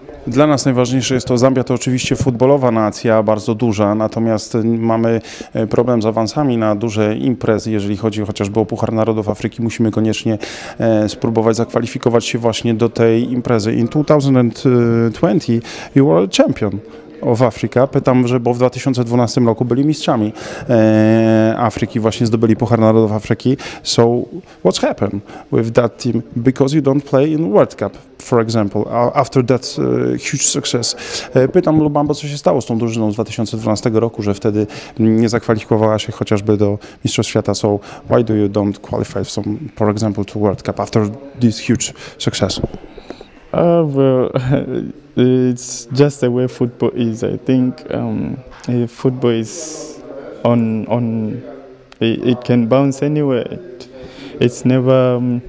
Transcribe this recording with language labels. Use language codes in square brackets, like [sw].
[pl] Dla nas najważniejsze jest to, Zambia to oczywiście futbolowa nacja, bardzo duża, natomiast mamy problem z awansami na duże imprezy, jeżeli chodzi chociażby o Puchar Narodów Afryki, musimy koniecznie spróbować zakwalifikować się właśnie do tej imprezy. [en] In 2020 you were a champion of Africa. [pl] Pytam, że bo w 2012 roku byli mistrzami Afryki, właśnie zdobyli Puchar Narodów Afryki. [en] So what's happened with that team? Because you don't play in World Cup, for example, after that huge success. [pl] Pytam Lubambo, co się stało z tą drużyną z 2012 roku, że wtedy nie zakwalifikowała się chociażby do Mistrzostw Świata. [en] So why do you don't qualify, some, for example, to World Cup after this huge success? Well, it's just the way football is. I think football is on. It can bounce anywhere. It's never.